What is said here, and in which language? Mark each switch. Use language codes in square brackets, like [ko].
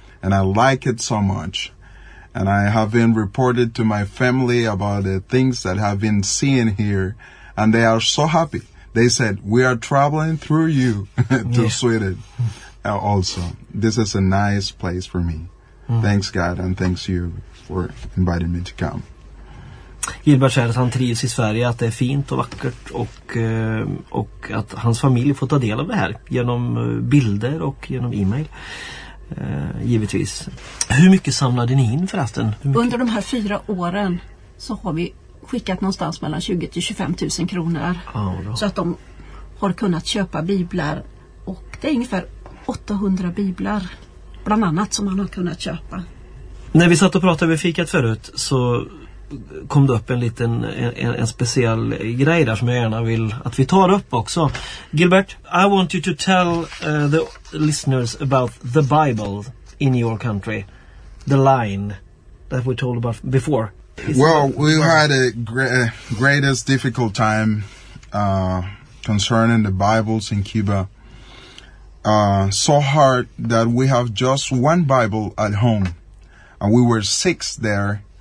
[en] And I like it so much. And I have been reported to my family about the things that have been seen here. And they are so happy. They said, we are traveling through you to Sweden also. This is a nice place for me. Thanks God, and thanks you for inviting me to come. [sv] Gilbert säger att han trivs i Sverige, att det är fint och vackert, och att hans familj får ta del av det här genom bilder och genom e-mail. Givetvis. Hur mycket samlade ni in förresten? Under de här 4 åren så har vi skickat någonstans mellan 20 000 till 25 000 kronor. Ah, så att de har kunnat köpa biblar. Och det är ungefär 800 biblar bland annat som man har kunnat köpa. När vi satt och pratade vid fikat förut så kom det upp en liten en speciell grej där som jag gärna vill att vi tar upp också. [en] Gilbert, I want you to tell the listeners about the Bible in your country, the line that we told about before. Had a greatest difficult time concerning the Bibles in Cuba, so hard that we have just one Bible at home, and we were 6 there.